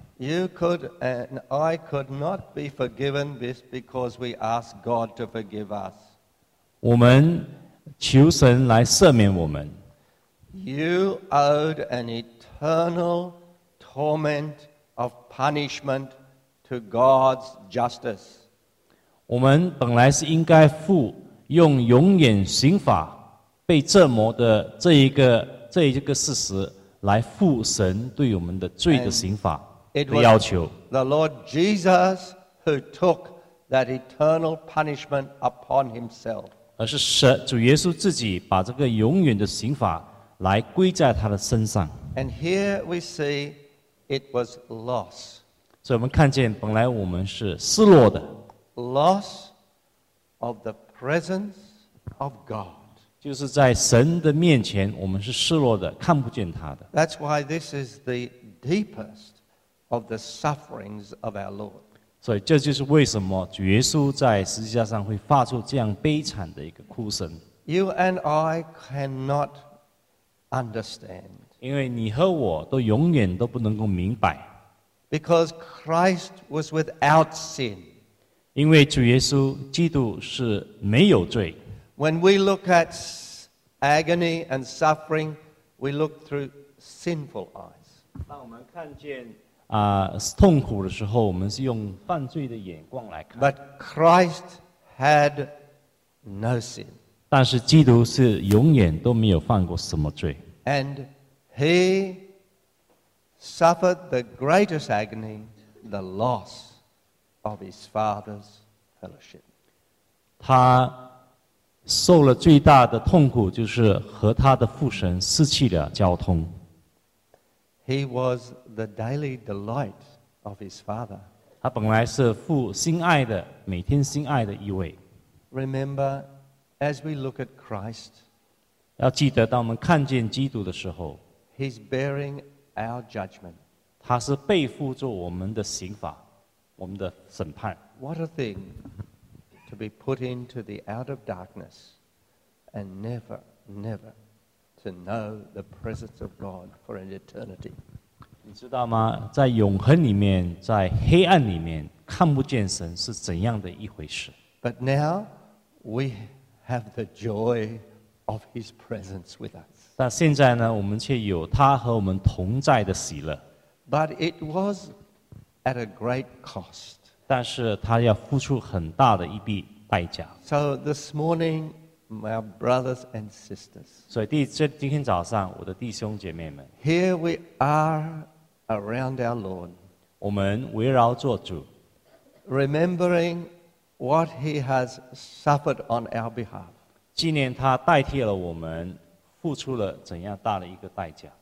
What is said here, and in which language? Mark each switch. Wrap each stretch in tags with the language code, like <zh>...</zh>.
<en>You could and I could not be forgiven this because we ask God to forgive us.</en> <zh>我们求神来赦免我们。</zh> <en>You owed an eternal torment of punishment to God's justice.</en> <zh>我们本来是应该负用永远刑罚被折磨的这一个事实来负神对我们的罪的刑罚的要求。</zh> <en>The Lord Jesus who took that eternal punishment upon himself.</en> <zh>而是神主耶稣自己把这个永远的刑罚来归在他的身上。</zh> <en>And here we see it was loss.</en> <zh>所以我们看见本来我们是失落的。</zh> <en>Loss of the presence of God.</en> <zh>就是在神的面前我们是失落的看不见他的</zh> <en>That's why this is the deepest of the sufferings of our Lord</en> <zh>所以这就是为什么主耶稣在十字架上会发出这样悲惨的一个哭声</zh> <en>You and I cannot understand</en> <zh>因为你和我都永远都不能够明白</zh> <en>Because Christ was without sin</en> <zh>因为主耶稣基督是没有罪</zh> <en>When we look at agony and suffering, we look through sinful eyes.</en> <zh>当我们看见啊痛苦的时候，我们是用犯罪的眼光来看。</zh> <en>But Christ had no sin.</en> <zh>但是基督是永远都没有犯过什么罪。</zh> <en>And he suffered the greatest agony, the loss of his Father's fellowship.</en> <zh>他受了最大的痛苦就是和他的父神失去了交通</zh> <en>He was the daily delight of his father</en> <zh>他本来是父心爱的每天心爱的一位</zh> <en>Remember as we look at Christ</en> <zh>要记得当我们看见基督的时候</zh> <en>He's bearing our judgment</en> <zh>他是背负着我们的刑罚我们的审判</zh> <en>What a thing to be put into the out of darkness and never, never to know the presence of God for an eternity.</en> <zh>你知道吗？在永恒里面，在黑暗里面，看不见神是怎样的一回事。</zh> <en>But now we have the joy of his presence with us.</en> <zh>但现在呢，我们却有他和我们同在的喜乐。</zh> <en>But it was at a great cost.</en> <zh>但是他要付出很大的一笔代价。</zh> <en>So this morning, my brothers and sisters.</en> <zh>所以今天早上，我的弟兄姐妹们。</zh> <en>Here we are around our Lord.</en> <zh>我们围绕着主。</zh> <en>Remembering what he has suffered on our behalf.</en> <zh>纪念他代替了我们，付出了怎样大的一个代价。</zh>